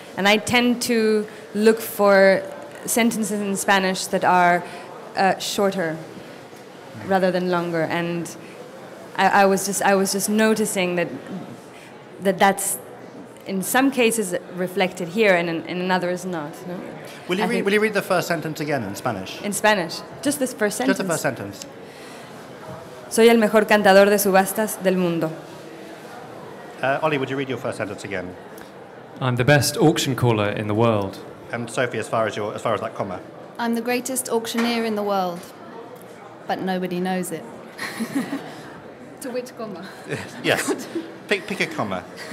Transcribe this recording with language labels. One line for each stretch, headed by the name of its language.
English: And I tend to look for sentences in Spanish that are shorter rather than longer. And I was just noticing that's in some cases reflected here and in others not. No? Will you read the first sentence again in Spanish? In Spanish. Just this first sentence. Just the first sentence.
Spanish: Soy el mejor cantador de subastas del mundo.
English: Ollie, would you read your first sentence again? I'm the best auction caller in the world. And Sophie, as far as that comma? I'm the greatest auctioneer in the world, but nobody knows it. To which comma? Yes. Pick a comma.